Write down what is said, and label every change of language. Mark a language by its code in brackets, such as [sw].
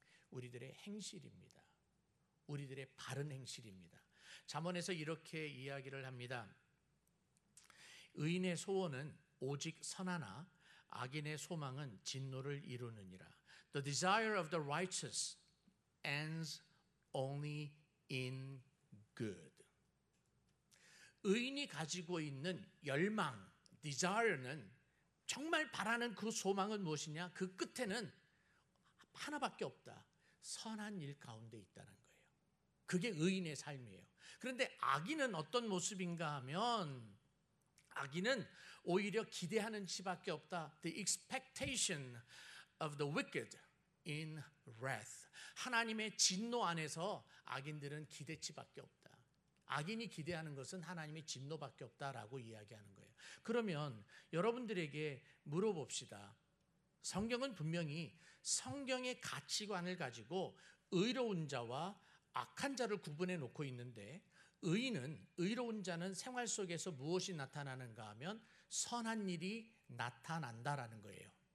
[ko] 우리들의 행실입니다. 우리들의 바른 행실입니다. 잠언에서 이렇게 이야기를 합니다. 의인의 소원은 오직 선하나 악인의 소망은 진노를 이루느니라. [en] The desire of the righteous ends only in good. [ko] 의인이 가지고 있는 열망, desire는 정말 바라는 그 소망은 무엇이냐? 그 끝에는 하나밖에 없다. 선한 일 가운데 있다는 거예요. 그게 의인의 삶이에요. 그런데 악인은 어떤 모습인가 하면 악인은 오히려 기대하는 수밖에 없다. [en] The expectation of the wicked in wrath. [ko] 하나님의 진노 안에서 악인들은 기대치밖에 없다. 악인이 기대하는 것은 하나님의 진노밖에 없다라고 이야기하는 거예요. 그러면 여러분들에게 물어봅시다. 성경은 분명히 성경의 가치관을 가지고 의로운 자와 악한 자를 구분해 놓고 있는데, 의인은, 의로운 자는 생활 속에서 무엇이 나타나는가 하면 선한 일이 나타난다라는 거예요.